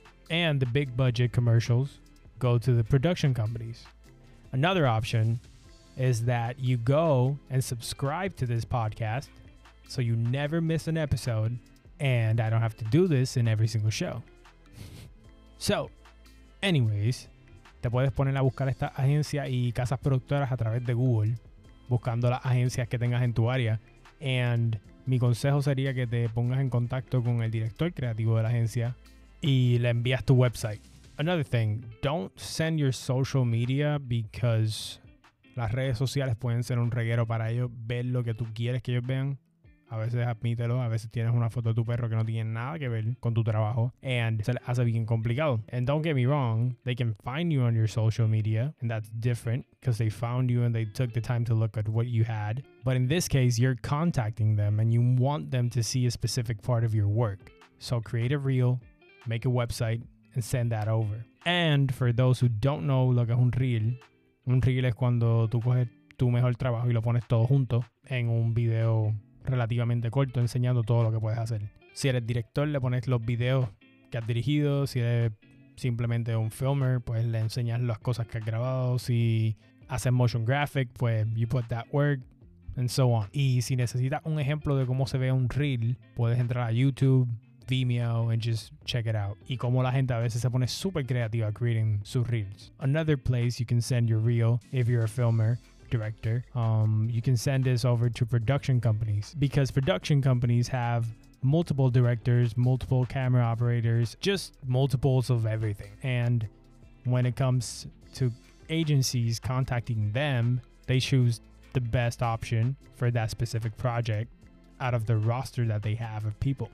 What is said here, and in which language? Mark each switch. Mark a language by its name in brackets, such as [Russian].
[English] And the big budget commercials go to the production companies. Another option is that you go and subscribe to this podcast so you never miss an episode and I don't have to do this in every single show. So, anyways, [Spanish] te puedes poner a buscar estas agencias y casas productoras a través de Google, buscando las agencias que tengas en tu área. And mi consejo sería que te pongas en contacto con el director creativo de la agencia y le envías tu website. [English] Another thing, don't send your social media because [Spanish] las redes sociales pueden ser un reguero para ellos ver lo que tú quieres que ellos vean. A veces admítelo, a veces tienes una foto de tu perro que no tiene nada que ver con tu trabajo and se les hace bien complicado. [English] And don't get me wrong, they can find you on your social media and that's different because they found you and they took the time to look at what you had. But in this case, you're contacting them and you want them to see a specific part of your work. So create a reel, make a website, and send that over. And for those who don't know [Spanish] lo que es un reel es cuando tú coges tu mejor trabajo y lo pones todo junto en un video relativamente corto enseñando todo lo que puedes hacer. Si eres director, le pones los videos que has dirigido. Si eres simplemente un filmer, pues le enseñas las cosas que has grabado. Si haces [English] motion graphic, pues you put that work and so on. [Spanish] Y si necesitas un ejemplo de cómo se ve un reel, puedes entrar a YouTube, Vimeo, [English] and just check it out. [Spanish] Y como la gente a veces se pone super creativa [English] creating [Spanish] sus reels. [English] Another place you can send your reel, if you're a filmer, director, you can send this over to production companies because production companies have multiple directors, multiple camera operators, just multiples of everything. And when it comes to agencies contacting them, they choose the best option for that specific project out of the roster that they have of people.